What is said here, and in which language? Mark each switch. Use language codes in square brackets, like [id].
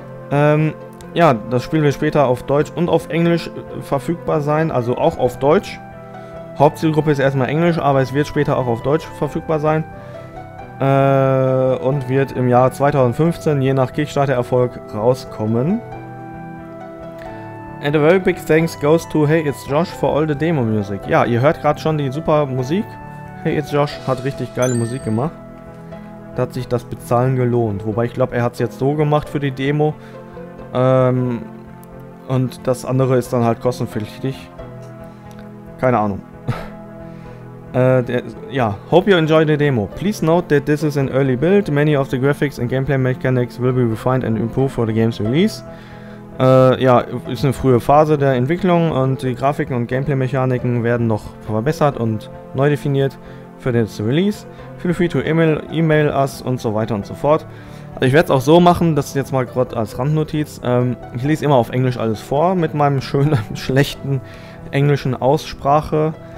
[de] Das Spiel wird später auf Deutsch und auf Englisch verfügbar sein, also auch auf Deutsch. Hauptzielgruppe ist erstmal Englisch, aber es wird später auch auf Deutsch verfügbar sein. Und wird im Jahr 2015, je nach Kickstarter-Erfolg, rauskommen. [en] And a very big thanks goes to Hey It's Josh for all the demo music. [de] Ja, ihr hört gerade schon die super Musik. Hey It's Josh hat richtig geile Musik gemacht. Da hat sich das Bezahlen gelohnt. Wobei ich glaube, er hat es jetzt so gemacht für die Demo. Und das andere ist dann halt kostenpflichtig. Keine Ahnung. [en] Hope you enjoy the demo. Please note that this is an early build. Many of the graphics and gameplay mechanics will be refined and improved for the game's release. [de] Ist eine frühe Phase der Entwicklung und die Grafiken und Gameplay-Mechaniken werden noch verbessert und neu definiert für den Release. [en] Feel free to email us [de] und so weiter und so fort. Also ich werde es auch so machen, das jetzt mal gerade als Randnotiz. Ich lese immer auf Englisch alles vor mit meinem schönen, schlechten englischen Aussprache.